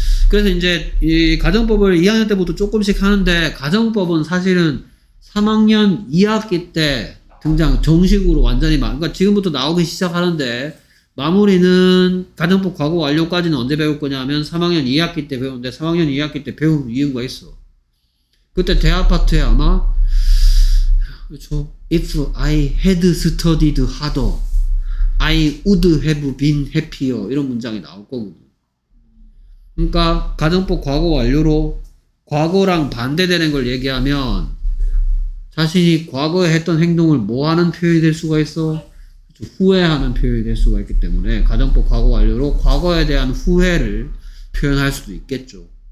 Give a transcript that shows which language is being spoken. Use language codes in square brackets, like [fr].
[ko] 그래서 이제 이 가정법을 2학년 때부터 조금씩 하는데 가정법은 사실은 3학년 2학기 때 등장 정식으로 완전히 그러니까 지금부터 나오기 시작하는데 마무리는 가정법 과거 완료까지는 언제 배울 거냐 하면 3학년 2학기 때 배우는데 3학년 2학기 때 배운 이유가 있어 그때 대아파트에 아마 그렇죠. [en] If I had studied harder, I would have been happier [ko] 이런 문장이 나올 거거든. 그러니까 가정법 과거 완료로 과거랑 반대되는 걸 얘기하면 자신이 과거에 했던 행동을 뭐하는 표현이 될 수가 있어? 그렇죠. 후회하는 표현이 될 수가 있기 때문에 가정법 과거 완료로 과거에 대한 후회를 표현할 수도 있겠죠.